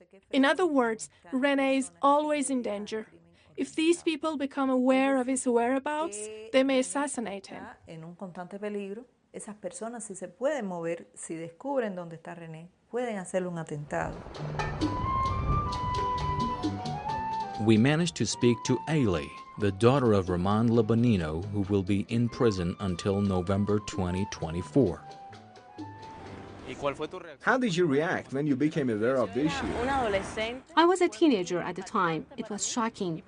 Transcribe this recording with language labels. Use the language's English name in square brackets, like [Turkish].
[English] In other words, René is always in danger. If these people become aware of his whereabouts, they may assassinate him. [Spanish] Esas personas, si se pueden mover, si descubren dónde está René, pueden hacerle un atentado. [English] We managed to speak to Ailey, the daughter of Ramon Lebonino, who will be in prison until November 2024. How did you react when you became aware of the issue? I was a teenager at the time. It was shocking.